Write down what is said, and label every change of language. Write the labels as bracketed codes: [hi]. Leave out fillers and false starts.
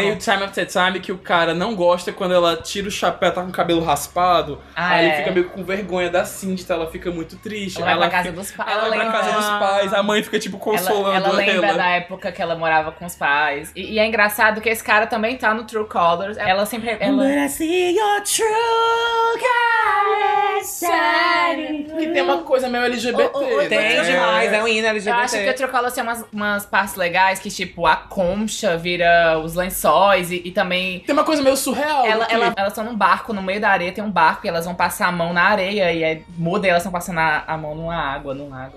[pt] Tem o Time After Time, que o cara não gosta quando ela tira o chapéu, tá com o cabelo raspado. Ah, aí ele fica meio com vergonha da Cyndi, então ela fica muito triste. Ela vai pra casa dos pais, a mãe fica tipo consolando ela. Ela lembra da época que ela morava com os pais. E é engraçado que esse cara também tá no True Colors. Ela sempre... [en] When I see your true colors shining. [pt] Jenny. Que tem uma coisa meio LGBT. Tem demais, é um hino LGBT. Eu acho que o Trocola tem umas partes legais, que tipo, a concha vira os lençóis e também... Tem uma coisa meio surreal. Elas estão num barco, no meio da areia tem um barco, e elas vão passar a mão na areia, e muda, e elas estão passando a mão numa água, num lago.